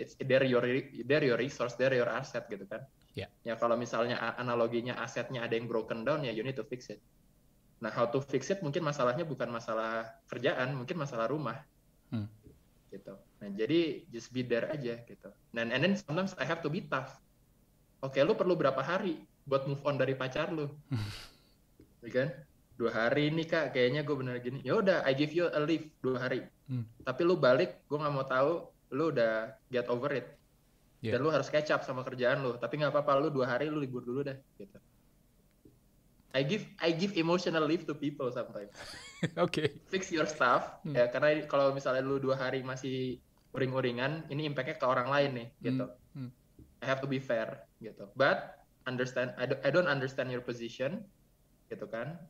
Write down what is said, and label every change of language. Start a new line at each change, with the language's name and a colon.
English: They're your resource, they're your asset,
Indonesian: gitu kan.
English: Yeah.
Indonesian: Ya kalau misalnya analoginya asetnya ada yang broken down, ya
English: you need to fix it.
Indonesian: Nah,
English: how to fix it,
Indonesian: mungkin masalahnya bukan masalah kerjaan, mungkin masalah rumah. Gitu. Nah, jadi
English: just be there
Indonesian: aja gitu.
English: And then sometimes I have to be tough.
Indonesian: Okay, lu perlu berapa hari buat
English: move on
Indonesian: dari pacar lu? Ya kan? 2 hari nih kak, kayaknya gue bener gini. Ya udah,
English: I give you a leave
Indonesian: 2 hari. Tapi lu balik, gue gak mau tahu, lu udah
English: get over it. Yeah.
Indonesian: Dan lu harus
English: catch up
Indonesian: sama kerjaan lu. Tapi gak apa-apa, lu 2 hari lu libur dulu dah. Gitu.
English: I give emotional leave to people sometimes. Okay. Fix your stuff.
Indonesian: Ya, karena kalau misalnya lu 2 hari masih uring-uringan, ini impact-nya ke orang lain nih, gitu.
English: I have to be fair,
Indonesian: gitu.
English: But understand, I don't understand your position,
Indonesian: gitu kan?